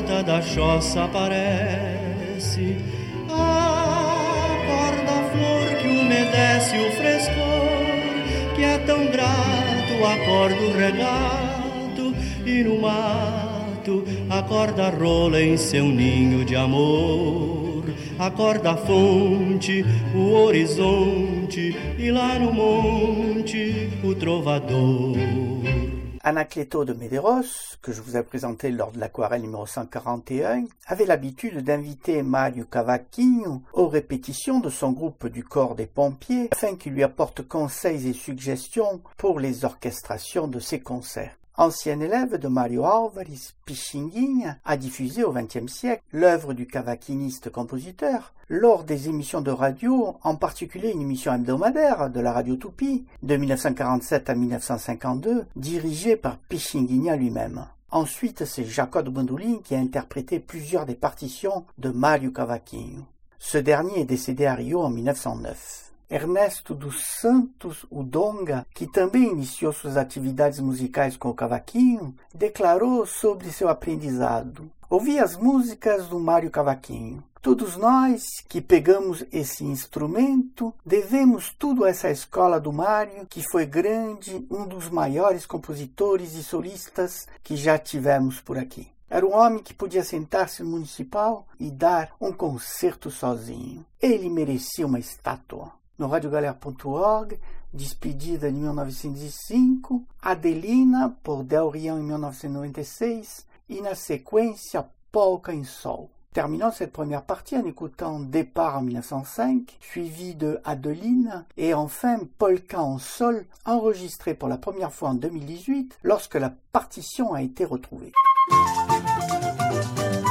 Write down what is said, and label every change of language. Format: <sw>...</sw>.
<pt>A choça aparece, acorda a flor que umedece o frescor, que é tão grato, acorda o regato, e no mato acorda a rola em seu ninho de amor, acorda a fonte, o horizonte, e lá no monte o trovador.</pt> <fr>Anacleto de Medeiros, que je vous ai présenté lors de l'aquarelle numéro 141, avait l'habitude d'inviter Mario Cavaquinho aux répétitions de son groupe du corps des pompiers afin qu'il lui apporte conseils et suggestions pour les orchestrations de ses concerts. Ancien élève de Mario Álvarez, Pixinguinha a diffusé au XXe siècle l'œuvre du cavaquiniste-compositeur lors des émissions de radio, en particulier une émission hebdomadaire de la Radio Tupi, de 1947 à 1952, dirigée par Pixinguinha lui-même. Ensuite, c'est Jacob Bandolim qui a interprété plusieurs des partitions de Mario Cavaquinho. Ce dernier est décédé à Rio en 1909.</fr> <pt>Ernesto dos Santos Udonga, que também iniciou suas atividades musicais com o cavaquinho, declarou sobre seu aprendizado: ouvi as músicas do Mário Cavaquinho. Todos nós que pegamos esse instrumento devemos tudo a essa escola do Mário, que foi grande, um dos maiores compositores e solistas que já tivemos por aqui. Era um homem que podia sentar-se no municipal e dar um concerto sozinho. Ele merecia uma estátua. No radiogalera.org, Despedida de 1905, Adelina, por Del Rian, em 1996, e na sequência, Polca em Sol.</pt> <fr>Terminons cette première partie en écoutant Départ en 1905, suivi de Adeline et enfin Polka en sol, enregistré pour la première fois en 2018 lorsque la partition a été retrouvée.</fr> <en>Thank you.</en>